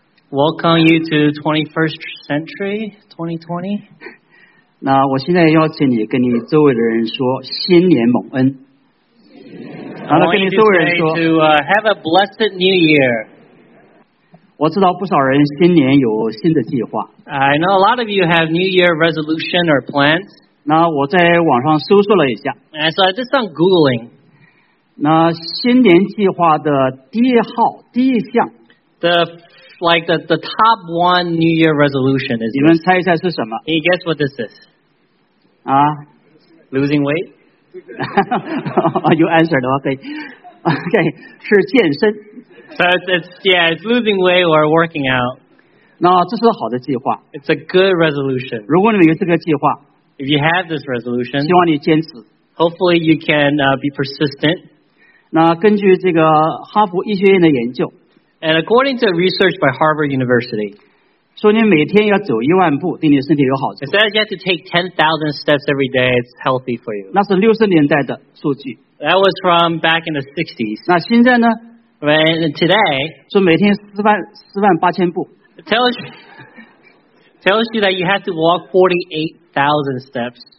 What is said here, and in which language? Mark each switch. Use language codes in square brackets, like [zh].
[en] Welcome you to 21st century 2020。 [zh] 那我现在邀请你跟你周围的人说新年蒙恩。好了，跟你周围人说。 [en] Have a blessed New Year。 [zh] 我知道不少人新年有新的计划。 [en] I know a lot of you have New Year resolution or plans。 [zh] 那我在网上搜索了一下。 [en] And so I did some googling。 [zh] 那新年计划的第一号第一项。 [en] The top one New Year resolution is. [zh] 你们猜一猜是什么 [en] ？You guess what this is？啊，losing weight。 You answered okay. Okay, [zh] 是健身。 [en] So it's losing weight or working out. [zh] 那这是好的计划。 [en] It's a good resolution. [zh] 如果你们有这个计划 [en] ，If you have this resolution， [zh] 希望你坚持。 [en] Hopefully you can be persistent. [zh] 那根据这个哈佛医学院的研究 [en] ，And according to research by Harvard University， [zh] 说你每天要走10,000步，对你身体有好处。 [en] It says you have to take 10,000 steps every day. It's healthy for you. [zh] 那是60年代的数据。 [en] That was from back in the 60s. [zh] 那现在呢？ [en] Right today, [zh] 说每天48,000步 [en] tells you that you have to walk 48,000 steps.